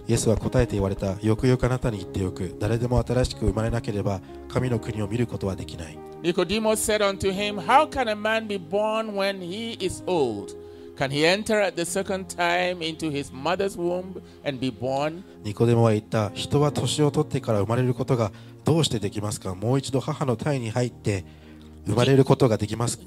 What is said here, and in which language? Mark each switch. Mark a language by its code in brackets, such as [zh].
[ja] イエスは答えて言われた。よくよくあなたに言っておく。誰でも新しく生まれなければ、神の国を見ることはできない。 [en] Nicodemus said unto him, How can a man be born when he is old? Can he enter at the second time into his mother's womb and be born? [ja] Nicodemus は言った。人は年を取ってから生まれることがどうしてできますか? もう一度母の胎に入って、生まれることができますか?